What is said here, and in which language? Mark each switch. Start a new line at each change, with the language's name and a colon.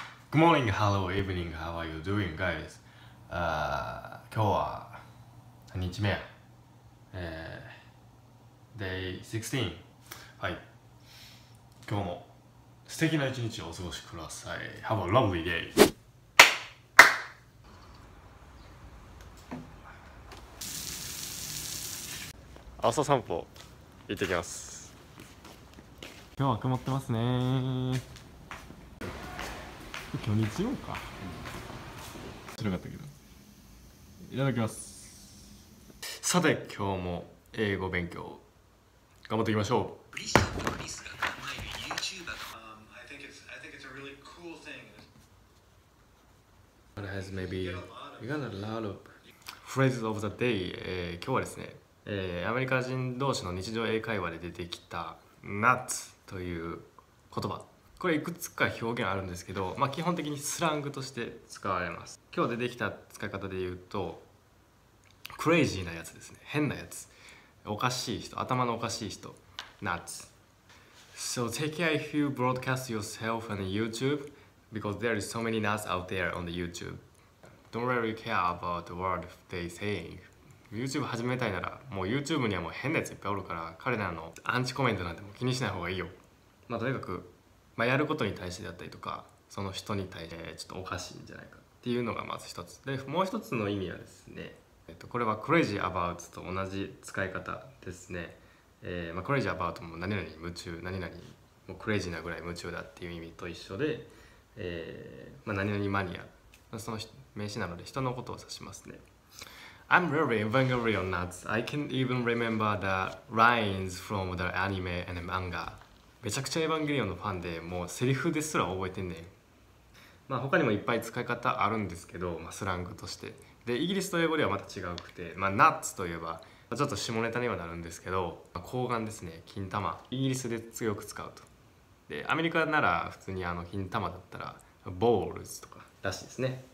English: Good morning, hello, evening, how are you doing, guys?
Japanese: 今日は何日目や、Day 16. はい。今日も素敵な一日をお過ごしください。
English: Have a lovely day!
Japanese: 朝散歩、行ってきます。今日は曇ってますね。今日日曜か。知らなかったけど。いただきます。さて、今日も英語勉強、頑張っていきましょう。リサとリスが名前で YouTuber か。
English: I think it's a really cool thing. It has maybe we got a lot of phrases of the day.
Japanese: 今日はですね、アメリカ人同士の日常英会話で出てきた nut という言葉。これいくつか表現あるんですけど、まあ、基本的にスラングとして使われます。今日出てきた使い方で言うとクレイジーなやつですね。変なやつ、おかしい人、頭のおかしい人、 nuts。
English: So take care if you broadcast yourself on YouTube because there is so many nuts out there on the YouTube. Don't really care about the word they saying.
Japanese: YouTube 始めたいならもう YouTube にはもう変なやついっぱいおるから、彼らのアンチコメントなんても気にしない方がいいよ。まあとにかく、まあ、やることに対してであったりとか、その人に対してちょっとおかしいんじゃないかっていうのがまず一つで、もう一つの意味はですね、これは crazy about と同じ使い方ですね。まあ、crazy about も何々に夢中、何々もクレイジーなぐらい夢中だっていう意味と一緒で、まあ、何々マニア、その名詞なので人のことを指しますね。
English: I'm really evangelical on nuts. I can even remember the lines from the anime and manga.
Japanese: めちゃくちゃエヴァンゲリオンのファンで、もうセリフですら覚えてんねん。まあ他にもいっぱい使い方あるんですけど、まあ、スラングとして。で、イギリスと英語ではまた違うくて、まあナッツといえば、ちょっと下ネタにはなるんですけど、まあ、睾丸ですね、金玉。イギリスで強く使うと。で、アメリカなら普通にあの金玉だったら、ボールズとからしいですね。